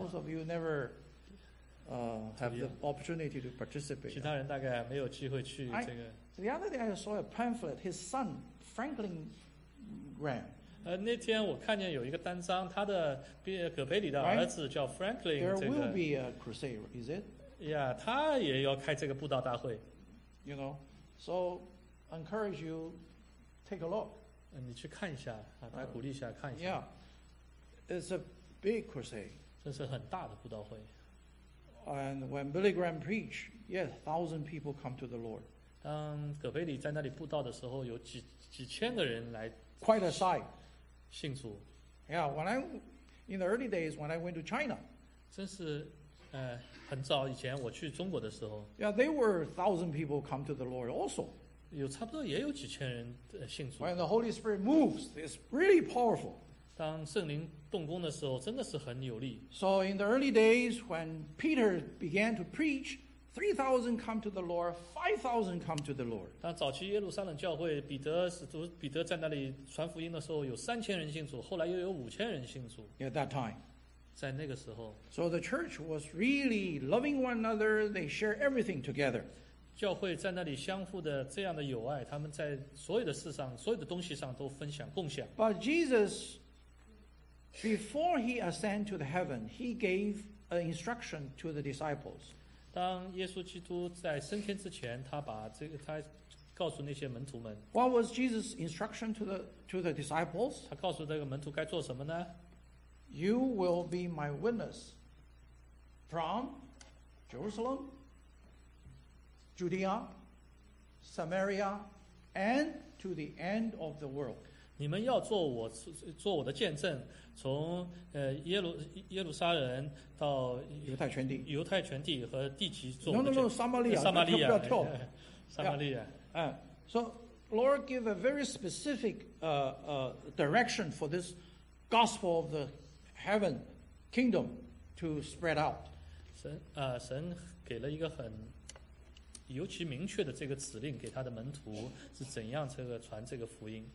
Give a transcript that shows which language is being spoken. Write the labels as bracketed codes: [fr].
[en] Most of you never have the opportunity to participate. [zh] 其他人大概没有机会去这个。 [en] The other day I saw a pamphlet, his son, Franklin, [zh] 那天我看见有一个单张，他的葛培里的儿子叫 Franklin。 [en] There will be a crusade, is it? [zh] Yeah, 他也要开这个布道大会。 [en] You know, so encourage you take a look. [zh] 你去看一下，来鼓励一下，看一下。 [en] Yeah, it's a big crusade. [zh] 这是很大的布道会。 [en] And when Billy Graham preached, yes, 1,000 people come to the Lord. [zh] 当葛培里在那里布道的时候，有几千个人来。 [en] Quite a sight. [zh] 信主。 [en] Yeah, in the early days when I went to China. [zh] 真是很早以前我去中国的时候。 [en] Yeah, there were 1,000 people come to the Lord also. [zh] 有差不多也有几千人信主。 [en] When the Holy Spirit moves, it's really powerful. [zh] 当圣灵动工的时候真的是很有力。 [en] So in the early days when Peter began to preach,3,000 come to the Lord, 5,000 come to the Lord. [zh] 当早期耶路撒冷教会彼得在那里传福音的时候，有3000人信主，后来又有5000人信主。 [en] At that time, [zh] 在那个时候。 [en] So the church was really loving one another. They share everything together. [zh] 教会在那里相互的这样的友爱，他们在所有的事上、所有的东西上都分享共享。 [en] But Jesus, before he ascended to the heaven, he gave an instruction to the disciples. [zh] 当耶稣基督在升天之前，他把这个他告诉那些门徒们。 [en] What was Jesus' instruction to the disciples? [zh] 他告诉这个门徒该做什么呢 [en] ？You will be my witness from Jerusalem, Judea, Samaria, and to the end of the world. [zh] 你们要做我的见证，从耶路撒冷到犹太全地和地极做 [en] 的。No, [zh] 撒玛利亚。不要跳。撒玛利亚。 [en] So Lord give a very specific direction for this gospel of the heaven kingdom to spread out. [zh] 神给了一个很尤其明确的这个指令给他的门徒，是怎样这个传这个福音。